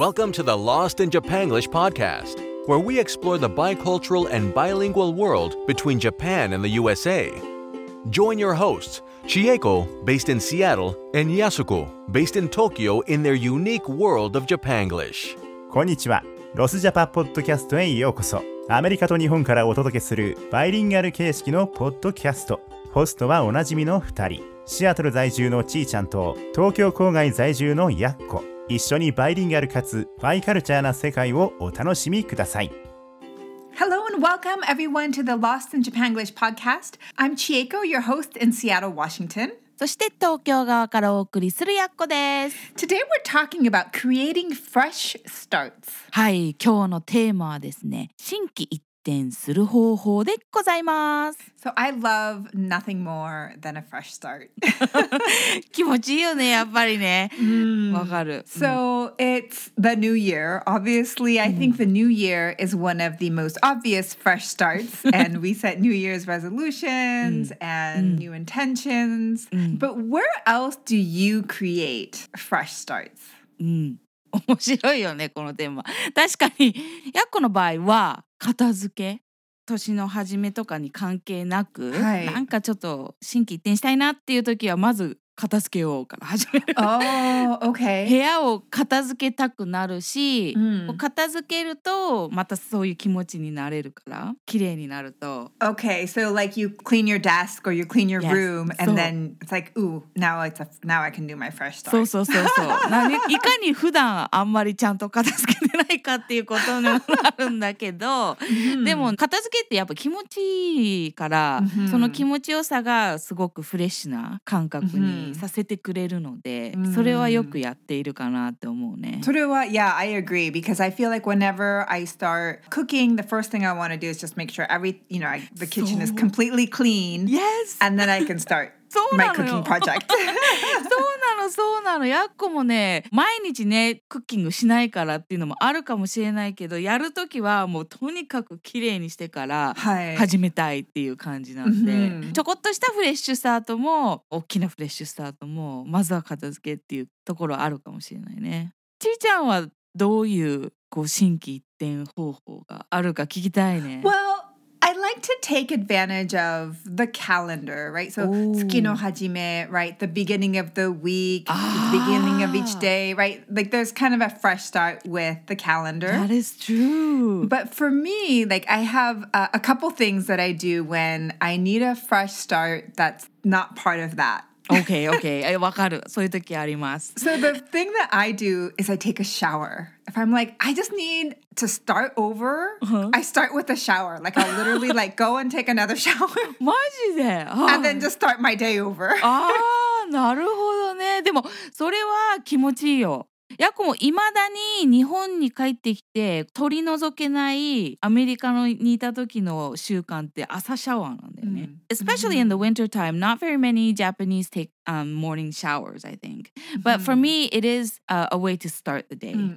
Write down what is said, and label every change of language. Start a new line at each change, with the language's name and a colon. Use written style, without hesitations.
English: Welcome to the Lost in Japan English podcast, where we explore the bicultural and bilingual world between Japan and the USA. Join your hosts, Chieko, based in Seattle, and Yasuko, based in Tokyo, in their unique world of Japanglish.
Japanese: Konnichiwa. Lost Japan podcast へようこそ。アメリカと日本からお届けするバイリンガル形式のポッドキャスト。ホストはおなじみの2人、シアトル在住のちーちゃんと東京郊外在住のやっこ。一緒にバイリンガルかつバイカルチャーな世界をお楽しみください。
English: Hello and welcome everyone to the Lost in Japan English podcast. I'm Chieko, your host in Seattle, Washington.
Japanese: そして東京側からお送りするやっこです。
English: Today we're talking about creating fresh starts.
Japanese: はい、今日のテーマはですね、新規一転する方法でございます。
English: So I love nothing more than a fresh start.
Japanese: 気持ちいいよね、やっぱりね。わ、かる。
English: So it's the new year. Obviously I think the new year is one of the most obvious fresh starts. And we set new year's resolutions and new intentions. But where else do you create fresh starts?
Japanese: 面白いよね、このテーマ。確かに、やっこの場合は片付け、年の初めとかに関係なく、はい、なんかちょっと心機一転したいなっていう時はまず片付けようから始める。
English: Oh, okay.
Japanese: 部屋を片付けたくなるし、片付けるとまたそういう気持ちになれるから、綺麗になると。
English: Okay, so like you clean your desk or you clean your room, and then it's like, ooh, now I can do my fresh start.
Japanese: そうそうそうそう。いかに普段あんまりちゃんと片付けてないかっていうことにもなるんだけど、でも片付けってやっぱ気持ちいいから、その気持ちよさがすごくフレッシュな感覚に。させてくれるので、それはよくやっているかなって思うね。それは、
English: yeah, I agree. Because I feel like whenever I start cooking, the first thing I want to do is just make sure the kitchen is completely clean. Yes! And then I can start my cooking project.
Japanese: そうなの、そうなの。やっこもね、毎日ね、クッキングしないからっていうのもあるかもしれないけど、やるときはもうとにかく綺麗にしてから始めたいっていう感じなんで、ちょこっとしたフレッシュスタートも、大きなフレッシュスタートも、まずは片付けっていうところあるかもしれないね。ちーちゃんはどういう、こう、心機一転方法があるか聞きたいね。
English: Well,I like to take advantage of the calendar, right? So,
Japanese: 月の始め,
English: right? The beginning of the week, the beginning of each day, right? Like, there's kind of a fresh start with the calendar. That is true. But for me, like, I have a couple things that I do when I need a fresh start that's not part of that.
Japanese: Okay. わかる。そういう時あります。
English: So, the thing that I do is I take a shower. If I'm like, I just need... to start over, I start with a shower. Like, I'll literally, like, go and take another shower.
Japanese: マジで?
English: And then just start my day over.
Japanese: なるほどね。でも、それは気持ちいいよ。ヤコも未だに日本に帰ってきて取り除けないアメリカにいた時の習慣って朝シャワーなんだよね。
English: Especially in the winter time, not very many Japanese take morning showers, I think. But for me, it is a way to start the day.